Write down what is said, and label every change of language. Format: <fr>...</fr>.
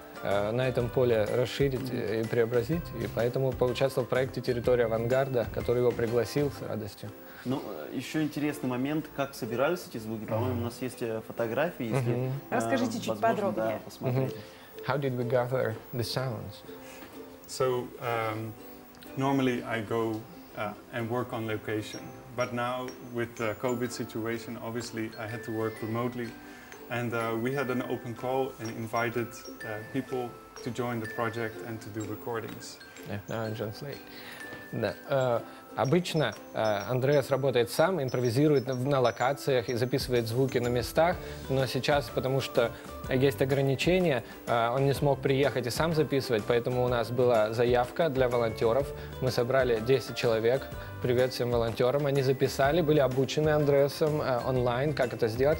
<ru>на этом поле расширить и преобразить, и поэтому поучаствовал в проекте «Территория авангарда», который его пригласил с радостью. Ну, еще интересный момент, как собирались эти звуки. По-моему, у нас есть фотографии, если расскажите чуть подробнее. Да, посмотрите.</ru> <en>How did we gather the sounds? So, normally I go and work on location, but now with the COVID situation, obviously I had to work remotely. And we had an open call and invited people to join the project and to do recordings. Yeah, no, translate.</en> <ru>Да. Обычно Андреас работает сам, импровизирует на локациях и записывает звуки на местах, но сейчас, потому что есть ограничения, он не смог приехать и сам записывать, поэтому у нас была заявка для волонтеров. Мы собрали 10 человек. Привет всем волонтерам. Они записали, были обучены Андреасом онлайн, как это сделать.</ru>